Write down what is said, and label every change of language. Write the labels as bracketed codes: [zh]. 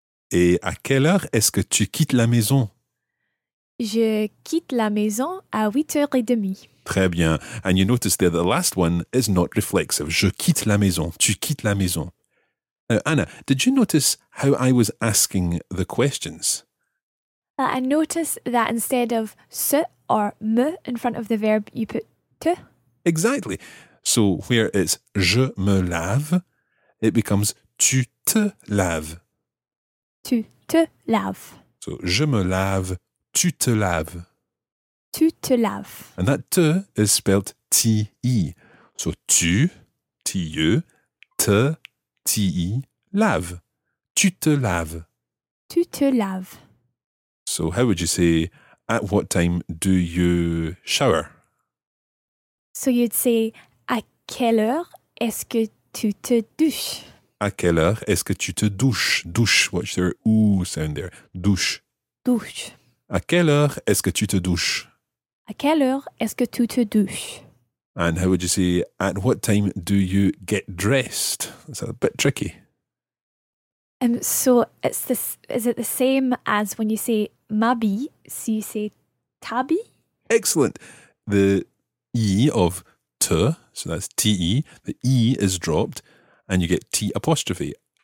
[fr] Et à quelle heure est-ce que tu quittes la maison? Je quitte la maison à 8h30. Très bien. [en] And you notice there the last one is not reflexive. [fr] Je quitte la maison. [en] Tu quittes la maison. Anna, did you notice how I was asking the questions? I noticed that instead of se or me in front of the verb, you put te. Exactly. So where it's [fr] je me lave, [en] it becomes [fr] tu te laves. Tu te laves. So je me lave, tu te laves. Tu te laves. [en] And that te is spelled T-E. [fr] So tu, T-E, te, T-E, lave. Tu te laves. Tu te laves. [en] So how would you say, at what time do you shower? So you'd say, [fr] à quelle heure est-ce que tu te douches? À quelle heure est-ce que tu te douches? [en] Douche, watch their ooh sound there. [fr] Douche. Douche. À quelle heure est-ce que tu te douches? À quelle heure est-ce que tu te douches? [en] And how would you say, at what time do you get dressed? That's a bit tricky. So it's this. Is it the same as when you say m'habille? So you say tabi? Excellent. The E of te, so that's T-E, the E is dropped and you get T apostrophe.